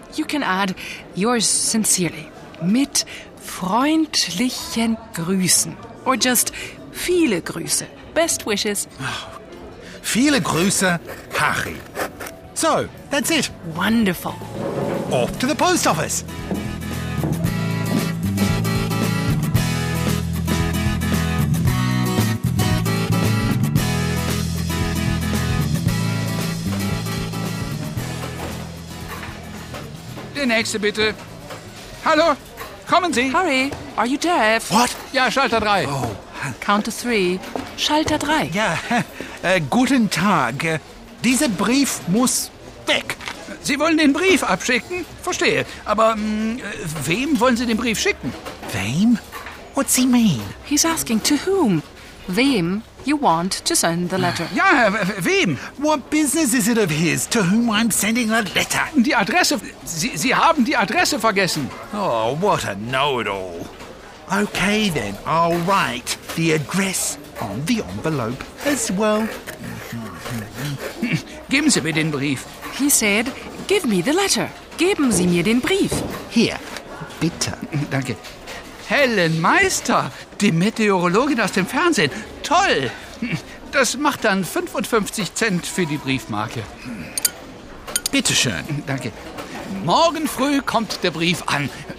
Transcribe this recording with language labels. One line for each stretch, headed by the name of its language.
English: You can add yours sincerely.
German: Mit freundlichen Grüßen.
English: Or just
German: viele Grüße.
English: Best wishes. Oh.
German: Viele Grüße,
English: Harry. So, that's it. Wonderful. Off to the post office.
German: Der nächste, bitte. Hallo, kommen Sie.
English: Harry, are you deaf? What?
German: Ja, Schalter 3.
English: Oh. Count to 3.
German: Schalter 3. Ja, guten Tag. Dieser Brief muss weg. Sie wollen den Brief abschicken? Verstehe. Aber wem wollen Sie den Brief schicken?
English: Wem? What's he mean? He's asking to whom? Wem you want to send the letter?
German: Ja, wem?
English: What business is it of his to whom I'm sending the letter?
German: Die Adresse. Sie haben die Adresse vergessen.
English: Oh, what a know-it-all. Okay, then. I'll write the address on the envelope as well.
German: Geben Sie mir den Brief.
English: He said, give me the letter.
German: Geben Sie mir den Brief.
English: Here, bitte.
German: Danke. Helen Meister, die Meteorologin aus dem Fernsehen. Toll. Das macht dann 55 Cent für die Briefmarke. Bitte schön. Danke. Morgen früh kommt der Brief an.